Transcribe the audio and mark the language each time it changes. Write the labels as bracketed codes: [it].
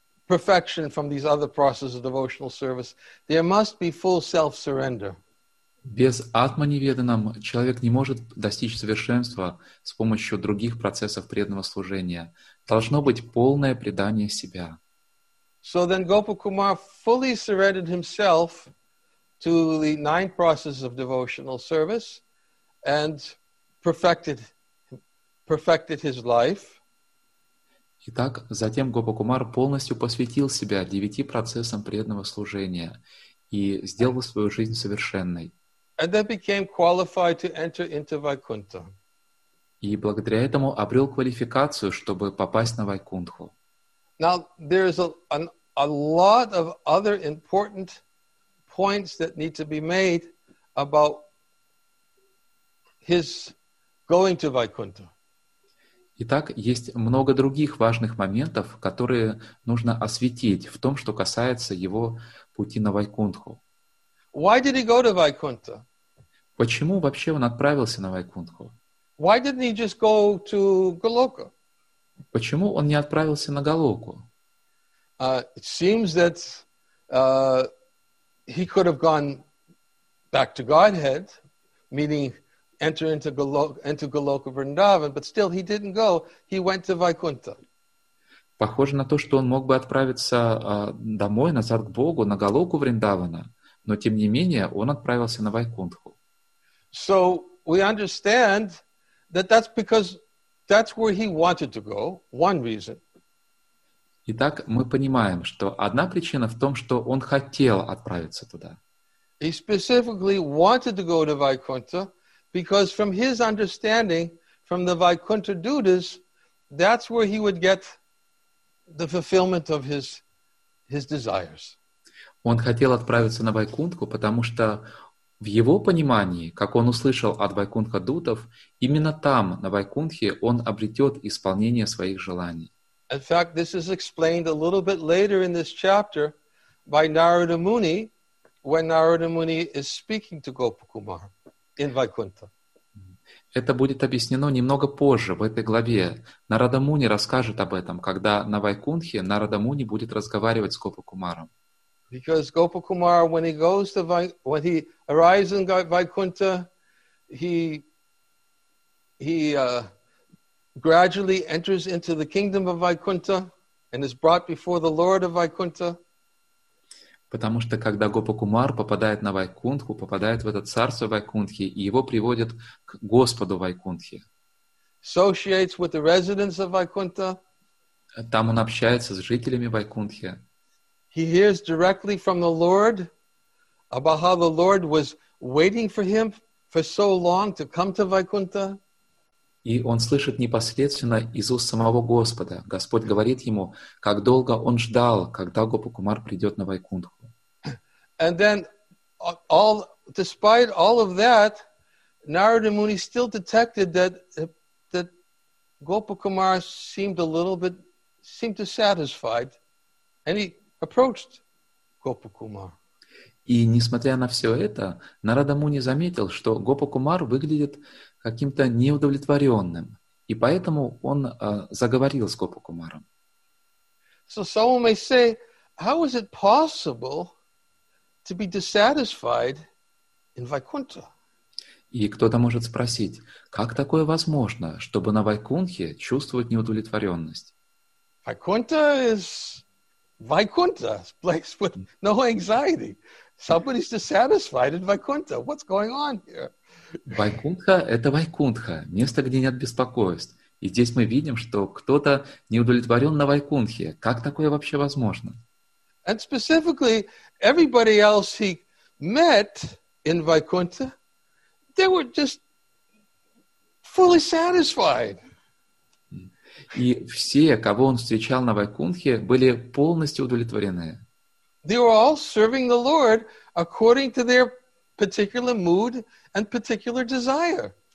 [en] perfection from these other processes of devotional service, there must be full self-surrender. [ru] Без атма-неведанам человек не может достичь совершенства с помощью других процессов преданного служения. Должно быть полное предание себя. [en] So then Gopakumar fully surrendered himself to the 9 processes of devotional service and perfected his life. [ru] Итак, затем Гопакумар полностью посвятил себя 9 процессам преданного служения и сделал свою жизнь совершенной. [en] And then became qualified to enter into Vaikuntha. [ru] И благодаря этому обрел квалификацию, чтобы попасть на Вайкунтху. [en] Now there is a lot of other important points that need to be made about his going to Vaikuntha. [ru] Итак, есть много других важных моментов, которые нужно осветить в том, что касается его пути на Вайкунтху. [en] Why did he go to Vaikuntha? [ru] Почему вообще он отправился на Вайкунтху? [en] Why didn't he just go to Голока? [ru] Почему он не отправился на Голоку? [en] It seems that he could have gone back to Godhead, meaning enter into Голока Вриндаван, but still he didn't go, he went to Вайкунтха. [ru] Похоже на то, что он мог бы отправиться домой, назад к Богу, на Голоку Вриндавана, но тем не менее он отправился на Вайкунтху. [en] So we understand that that's because that's where he wanted to go, one reason. [ru] Итак, мы понимаем, что одна причина в том, что он хотел отправиться туда. [en] He specifically wanted to go to Vaikuntha because from his understanding, from the Vaikuntha duties, that's where he would get the fulfillment of his desires. [ru] Он хотел отправиться на Вайкунтху, потому что в его понимании, как он услышал от Вайкунтха дутов, именно там, на Вайкунтхе, он обретет исполнение своих желаний. [en] In fact, this is explained a little bit later in this chapter by Narada Muni, when Narada Muni is speaking to Gopakumar in Vaikuntha. [ru] Это будет объяснено немного позже в этой главе. Нарада Муни расскажет об этом, когда на Вайкунтхе Нарада Муни будет разговаривать с Гопакумаром. [en] Because Gopakumar, when he goes to when he arrives in Vaikuntha, he gradually enters into the kingdom of Vaikuntha and is brought before the Lord of Vaikuntha. [ru] Потому что когда Гопакумар попадает на Вайкунтху, попадает в это царство Вайкунтхи, и его приводят к Господу Вайкунтхи. [en] Associates with the residents of Vaikuntha. [ru] Там он общается с жителями Вайкунтхи. [en] He hears directly from the Lord about how the Lord was waiting for him for so long to come to Vaikuntha. [ru] И он слышит непосредственно из уст самого Господа. Господь говорит ему, как долго он ждал, когда Гопакумар придет на Вайкунтху. [en] And then, despite all of that, Narada Muni still detected that Gopakumar seemed satisfied, and he approached Gopakumar. [ru] И несмотря на все это, Нарада Муни заметил, что Гопакумар выглядит каким-то неудовлетворенным, и поэтому он заговорил с Гопакумаром. [en] So someone may say, how is it possible to be dissatisfied in Vaikuntha? [ru] И кто-то может спросить, как такое возможно, чтобы на Вайкунтхе чувствовать неудовлетворенность? [en] Vaikuntha is Vaikuntha, a place with no anxiety. Somebody's dissatisfied in Vaikuntha. What's going on here? [ru] Вайкунтха — это Вайкунтха, место, где нет беспокойств. И здесь мы видим, что кто-то неудовлетворен на Вайкунтхе. Как такое вообще возможно? [en] And specifically, everybody else he met in Vaikuntha, they were just fully satisfied. [ru] И все, кого он встречал на Вайкунтхе, были полностью удовлетворены. [en] They were all serving the Lord according to their particular mood and particular desire.